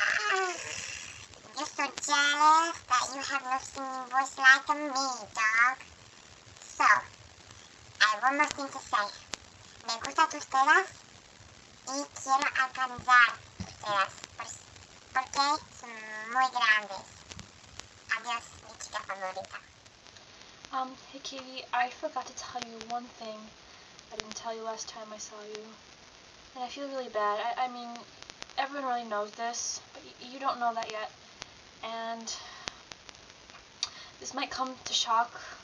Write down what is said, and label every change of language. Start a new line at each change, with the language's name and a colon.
English: You're so jealous that you have no singing voice like me, dog. So, I have one more thing to say.
Spanish: Me gusta tus tetas y quiero alcanzar tus tetas porque son muy grandes. Adiós, mi chica favorita.
English: Hey Katie, I forgot to tell you one thing I didn't tell you last time I saw you. And I feel really bad. I mean, everyone really knows this, but you don't know that yet. And this might come to shock.